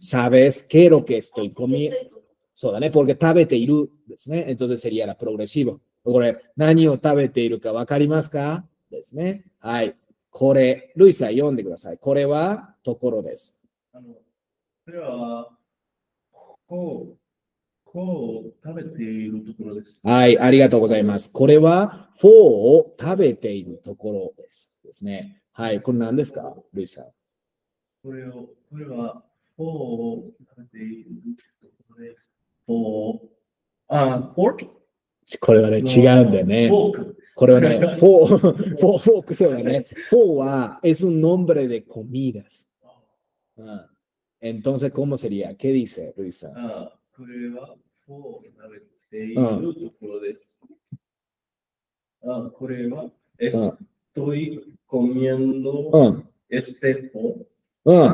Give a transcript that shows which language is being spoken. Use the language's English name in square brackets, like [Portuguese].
[Spanish] Sabes qué lo que estoy comiendo? [Japanese] そうだね。 Porque食べているですね。 [Spanish] Entonces sería la progresivo。 [Japanese] これ何を食べているかわかりますか？ですね。はい。これ、ルイさん読んでください。これはところです。これはフォーを食べているところです。はい、ありがとうございます。これはフォーを食べているところです。ですね。はい、これ何ですか、ルイさん。これはフォーを食べているところです。フォー、あ、フォーク？これはね、違うんだよね。フォーク。これはね、フォークそうだね。フォーは、 [Spanish] es un nombre de comidas。 Entonces, ¿cómo sería? ¿Qué dice, Luisa? [Japanese] Ah, これは、フォーを食べているところです。 [Spanish] Ah, [Japanese] これは、 [Spanish] estoy comiendo este フォー。